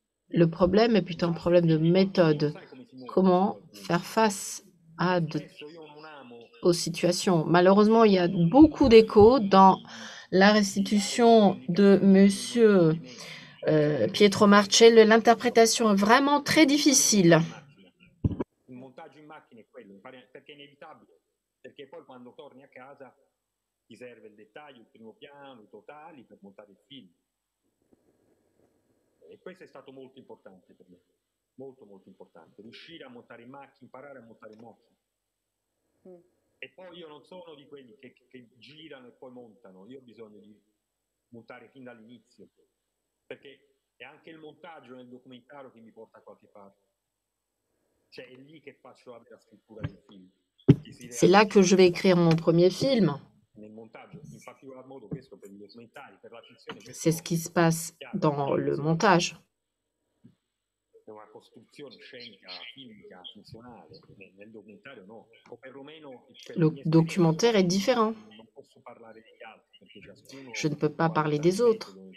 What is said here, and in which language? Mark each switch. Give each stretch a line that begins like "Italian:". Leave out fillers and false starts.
French: Le problème est plutôt un problème de méthode. Comment faire face à aux situations? Malheureusement, il y a beaucoup d'échos dans la restitution de monsieur Pietro Marcello. L'interprétation est vraiment très difficile.
Italian: Il montage in macchina è quello, perché è inevitabile, perché poi quando torni a casa ti serve il dettaglio, il primo piano, i totali per montare il film. E questo è stato molto importante per me, molto molto importante, riuscire a montare in macchina, imparare a montare in macchina. E poi io non sono di quelli che girano e poi montano, io ho bisogno di montare fin dall'inizio, perché è anche il montaggio nel documentario che mi porta a qualche parte. Cioè è lì che faccio la vera scrittura del film.
French: C'est là che je vais écrire mon premier film.
Italian: Nel montaggio, in particolar modo questo per i documentari, per la finzione.
French: C'est ce qui se passe dans le montage.
Italian: È una costruzione scenica, filmica, funzionale. Nel documentario no. O perlomeno.
French: Le documentaire est différent.
Italian: Non posso parlare degli altri, perché ciascuno.
French: Je ne peux pas parler des autres.